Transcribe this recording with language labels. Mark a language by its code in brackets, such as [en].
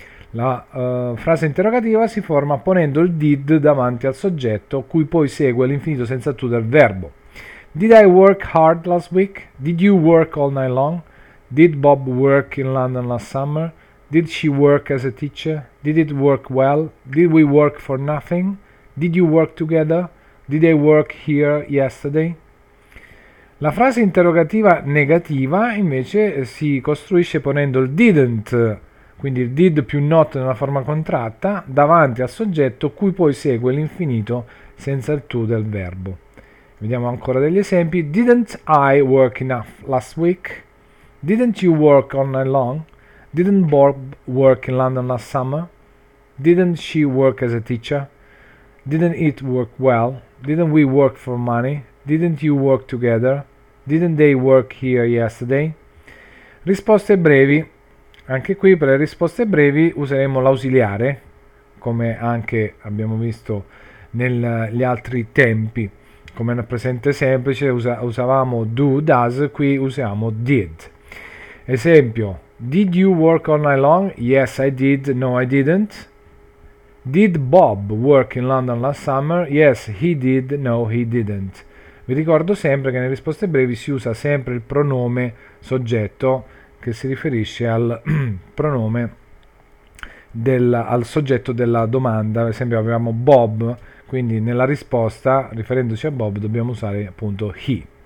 [it] La frase interrogativa si forma ponendo il did davanti al soggetto, cui poi segue l'infinito senza to del verbo. [en] Did I work hard last week? Did you work all night long? Did Bob work in London last summer? Did she work as a teacher? Did it work well? Did we work for nothing? Did you work together? Did they work here yesterday? [it] La frase interrogativa negativa invece si costruisce ponendo il didn't, quindi il did più not nella forma contratta, davanti al soggetto cui poi segue l'infinito senza il to del verbo. Vediamo ancora degli esempi. [en] Didn't I work enough last week? Didn't you work all night long? Didn't Bob work in London last summer? Didn't she work as a teacher? Didn't it work well? Didn't we work for money? Didn't you work together? Didn't they work here yesterday? [it] Risposte brevi. Anche qui per le risposte brevi useremo l'ausiliare, come anche abbiamo visto negli altri tempi. Come nel presente semplice usavamo do, does, qui usiamo did. [en] Esempio, did you work all night long? Yes, I did. No, I didn't. Did Bob work in London last summer? Yes, he did. No, he didn't. [it] Vi ricordo sempre che nelle risposte brevi si usa sempre il pronome soggetto, che si riferisce al pronome al soggetto della domanda. Ad esempio avevamo Bob, quindi nella risposta, riferendoci a Bob, dobbiamo usare appunto he.